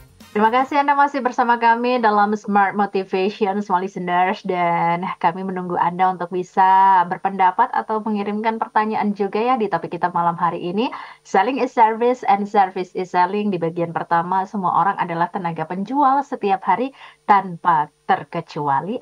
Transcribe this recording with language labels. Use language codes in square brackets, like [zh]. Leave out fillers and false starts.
[id] Terima kasih Anda masih bersama kami dalam Smart Motivation, Small Listeners, dan kami menunggu Anda untuk bisa berpendapat atau mengirimkan pertanyaan juga ya di topik kita malam hari ini. [en] Selling is service and service is selling. [id] Di bagian pertama, semua orang adalah tenaga penjual setiap hari tanpa terkecuali.